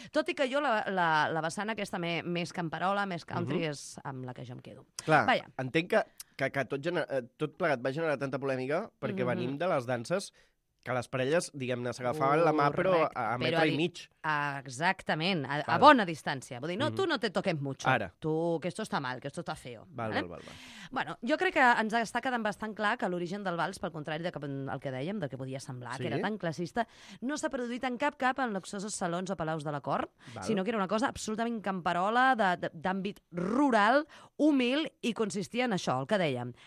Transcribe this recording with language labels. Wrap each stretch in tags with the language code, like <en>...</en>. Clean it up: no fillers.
<ca>Tot i que jo la vessant aquesta més camperola, més country, és amb la que jo em quedo. Clar, vaja. Entenc que tot plegat va generar tanta polèmica perquè venim de les danses que les parelles, diguem-ne, s'agafaven la mà però a metre però i mig. Exactament, a bona distància. Vull dir, no, tu</ca> <es>no te toques mucho.</es> <ca>Ara.</ca> <es>Tu, que esto está mal, que esto está feo.</es> <ca>Val. Bueno, jo crec que ens està quedant bastant clar que l'origen del vals, pel contrari del que dèiem, del que podia semblar, sí. Que era tan classista, no s'ha produït en cap en luxosos salons o palaus de la cort, sinó que era una cosa absolutament camperola, d'àmbit rural, humil, i consistia en això, el que dèiem.</ca>